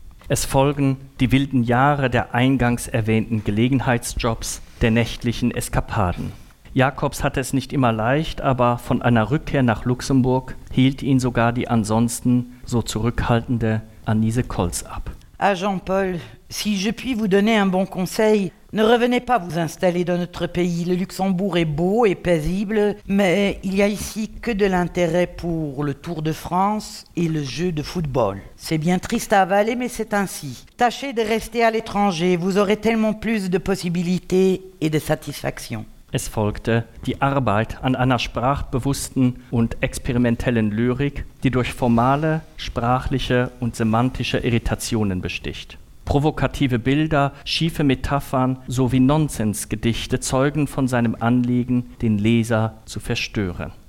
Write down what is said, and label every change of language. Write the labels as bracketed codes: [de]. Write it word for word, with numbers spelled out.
[de] Es folgen die wilden Jahre der eingangs erwähnten Gelegenheitsjobs, der nächtlichen Eskapaden. Jacobs hatte es nicht immer leicht, aber von einer Rückkehr nach Luxemburg hielt ihn sogar die ansonsten so zurückhaltende Anise Kolz ab. [fr] Ah Jean-Paul, si je puis vous donner un bon conseil, ne revenez pas vous installer dans notre pays. Le Luxembourg est beau et paisible, mais il y a ici que de l'intérêt pour le Tour de France et le jeu de football. C'est bien triste à avaler, mais c'est ainsi. Tâchez de rester à l'étranger, vous aurez tellement plus de possibilités et de satisfactions. [de] Es folgte die Arbeit an einer sprachbewussten und experimentellen Lyrik, die durch formale, sprachliche und semantische Irritationen besticht. Provokative Bilder, schiefe Metaphern sowie Nonsensgedichte zeugen von seinem Anliegen, den Leser zu verstören.